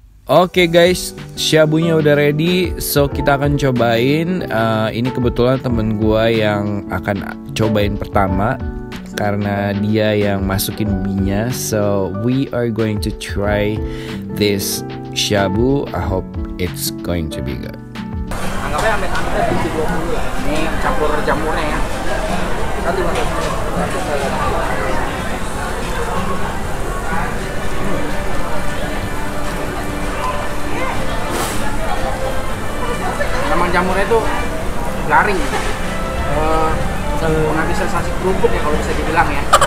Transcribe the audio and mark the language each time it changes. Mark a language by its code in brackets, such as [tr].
[id] Okay, guys. Shabunya udah ready, so kita akan cobain. Ini kebetulan temen gue yang akan cobain pertama, karena dia yang masukin minyak. [en] So we are going to try this shabu. I hope it's going to be good. [id] Anggapnya ambil tangannya 720 ya. Ini campur jamurnya ya. Kita tinggal jamurnya itu garing, mengalami sensasi kerupuk ya kalau bisa dibilang ya.